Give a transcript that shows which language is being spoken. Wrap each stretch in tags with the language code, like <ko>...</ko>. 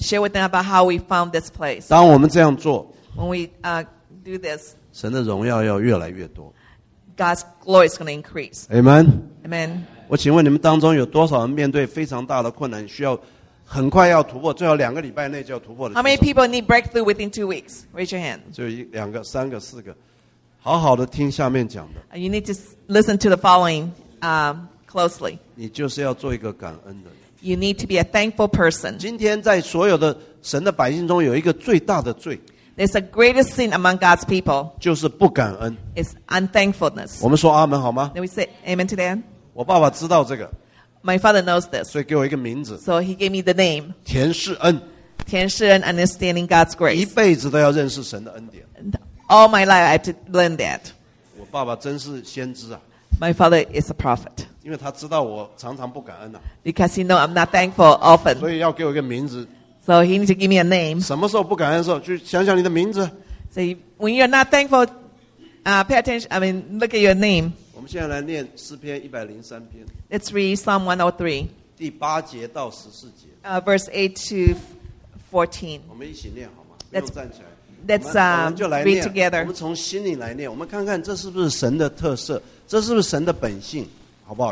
<en>Share with them about how we found this place.</en> <zh>当我们这样做。</zh> <en>When we do this.</en> <zh>神的荣耀要越来越多。</zh> <en>God's glory is going to increase. Amen. Amen.</en> <zh>我请问你们当中有多少人面对非常大的困难需要很快要突破，最好两个礼拜内就要突破的。</zh> <en>How many people need breakthrough within 2 weeks? Raise your hand.</en> <zh>就两个、三个、四个，好好的听下面讲的。</zh> <en>You need to listen to the following, closely.</en> <zh>你就是要做一个感恩的人。</zh> <en>You need to be a thankful person.</en> <zh>今天在所有的神的百姓中有一个最大的罪。</zh> <en>There's a greatest sin among God's people.</en> <zh>就是不感恩。</zh> <en>It's unthankfulness.</en> <zh>我们说阿门好吗？</zh> <en>Then we say amen to that.</en> <zh>我爸爸知道这个。</zh> <en>My father knows this.</en> <zh>所以给我一个名字。</zh> <en>So he gave me the name.</en> <zh>田世恩。</zh> <en>田世恩 understanding God's grace.</en> <zh>一辈子都要认识神的恩典。</zh> <en>All my life I have to learn that.</en> <zh>我爸爸真是先知啊。</zh> <en>My father is a prophet.</en> <zh>因为他知道我常常不感恩啊。</zh> <en>Because he knows I'm not thankful often.</en> <zh>所以要给我一个名字。</zh> <en>So he needs to give me a name.</en> <zh>什么时候不感恩的时候，去想想你的名字。</zh> <en>So when you're not thankful, pay attention. I mean, look at your name.</en> <zh>我们现在来念诗篇一百零三篇。</zh> <en>Let's read Psalm 103.</en> <zh>第八节到十四节。</zh> <en>Verse 8 to 14.</en> <zh>我们一起念好吗？不用站起来。</zh> <en>Let's read together.</en> <zh>我们从心里来念，我们看看这是不是神的特色，这是不是神的本性，好不好</zh>